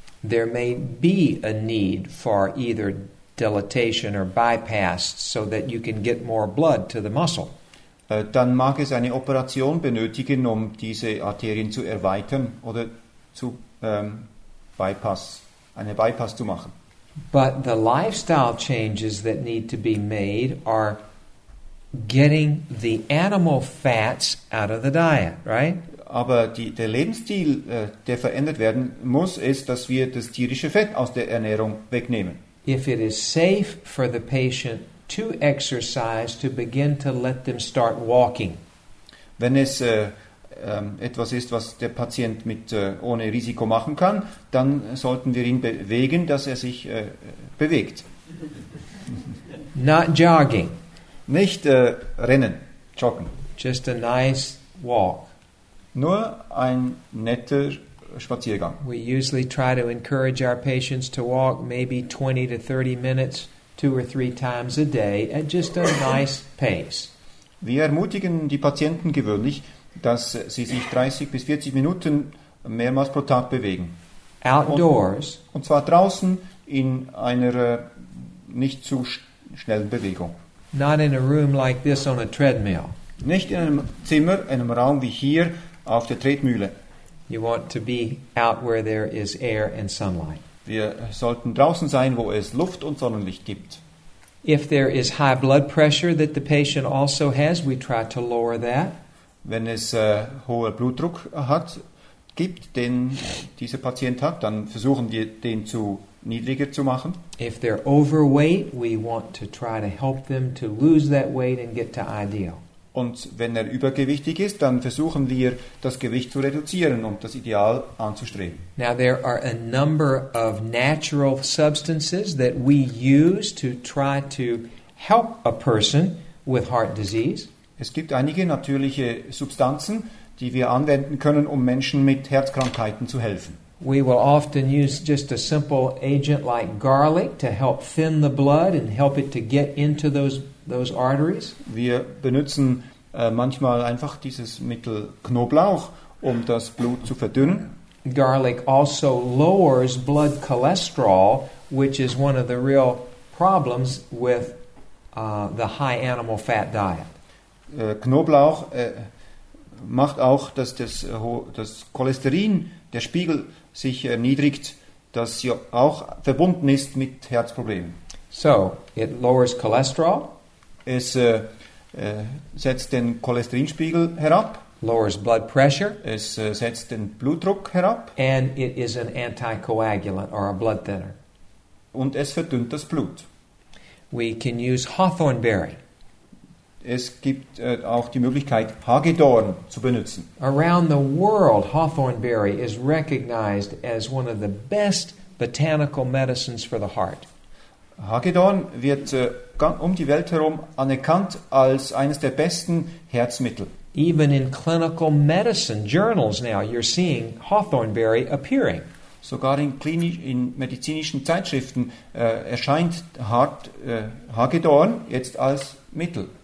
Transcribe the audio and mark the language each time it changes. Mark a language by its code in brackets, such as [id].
[en] there may be a need for either dilatation or bypass so that you can get more blood to the muscle. [de] Dann mag es eine Operation benötigen, um diese Arterien zu erweitern oder zu einen Bypass zu machen. [en] But the lifestyle changes that need to be made are getting the animal fats out of the diet, right? [de] Aber der Lebensstil, der verändert werden muss, ist, dass wir das tierische Fett aus der Ernährung wegnehmen. [en] If it is safe for the patient to exercise, to begin to let them start walking. [de] Wenn es etwas ist, was der Patient mit ohne Risiko machen kann, dann sollten wir ihn bewegen, dass er sich bewegt. [en] Not jogging. [de] Nicht rennen, joggen. [en] Just a nice walk. [de] Nur ein netter Spaziergang. [en] We usually try to encourage our patients to walk maybe 20 to 30 minutes, two or three times a day, at just a nice pace. [de] Wir ermutigen die Patienten gewöhnlich, dass sie sich 30 bis 40 Minuten mehrmals pro Tag bewegen. [en] outdoors, [de] und zwar draußen in einer nicht zu schnellen Bewegung. [en] Not in a room like this on a treadmill. [de] Nicht in einem Zimmer, in einem Raum wie hier auf der Tretmühle. [en] You want to be out where there is air and sunlight. [de] Wir sollten draußen sein, wo es Luft und Sonnenlicht gibt. [en] If there is high blood pressure that the patient also has, we try to lower that. [de] Wenn es hoher Blutdruck hat, gibt, den dieser Patient hat, dann versuchen wir, den zu niedriger zu machen. [en] If they're overweight, we want to try to help them to lose that weight and get to ideal. [de] Und wenn er übergewichtig ist, dann versuchen wir, das Gewicht zu reduzieren und das Ideal anzustreben. [en] Now there are a number of natural substances that we use to try to help a person with heart disease. [de] Es gibt einige natürliche Substanzen, die wir anwenden können, um Menschen mit Herzkrankheiten zu helfen. [en] We will often use just a simple agent like garlic to help thin the blood and help it to get into those arteries. [de] Wir benutzen manchmal einfach dieses Mittel Knoblauch, um das Blut zu verdünnen. [en] Garlic also lowers blood cholesterol, which is one of the real problems with the high animal fat diet. [de] Knoblauch macht auch, dass das Cholesterin, der Spiegel, sich erniedrigt, das ja auch verbunden ist mit Herzproblemen. [en] So, it lowers cholesterol. [de] Es setzt den Cholesterinspiegel herab. [en] Lowers blood pressure. [de] Es setzt den Blutdruck herab. [en] And it is an anticoagulant or a blood thinner. [de] Und es verdünnt das Blut. [en] We can use hawthorn berry. [de] Es gibt auch die Möglichkeit, Hagedorn zu benutzen. [en] Around the world, hawthorn berry is recognized as one of the best botanical medicines for the heart. [de] Hagedorn wird um die Welt herum anerkannt als eines der besten Herzmittel. [en] Even in clinical medicine journals now, you're seeing hawthorn berry appearing. [de] Sogar in medizinischen Zeitschriften erscheint Hagedorn jetzt als Mittel.